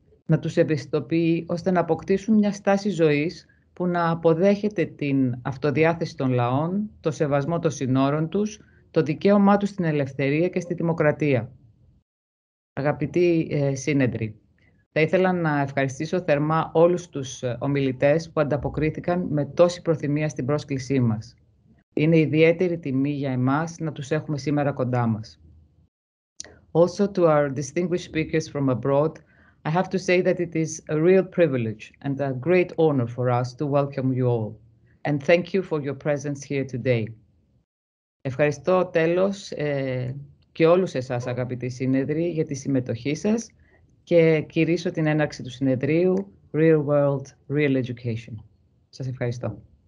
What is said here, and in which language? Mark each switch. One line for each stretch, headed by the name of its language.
Greek: να τους ευαισθητοποιεί ώστε να αποκτήσουν μια στάση ζωής που να αποδέχεται την αυτοδιάθεση των λαών, το σεβασμό των συνόρων τους, το δικαίωμά τους στην ελευθερία και στη δημοκρατία. Αγαπητοί σύνεδροι, θα ήθελα να ευχαριστήσω θερμά όλους τους ομιλητές που ανταποκρίθηκαν με τόση προθυμία στην πρόσκλησή μας. Είναι ιδιαίτερη τιμή για εμάς να τους έχουμε σήμερα κοντά μας.
English: Also to our distinguished speakers from abroad, I have to say that it is a real privilege and a great honor for us to welcome you all. And thank you for your presence here today.
Greek: Ευχαριστώ τέλος και όλους εσάς, αγαπητοί σύνεδροι, για τη συμμετοχή σας και κηρύσω την έναρξη του συνεδρίου Real World, Real Education. Σας ευχαριστώ.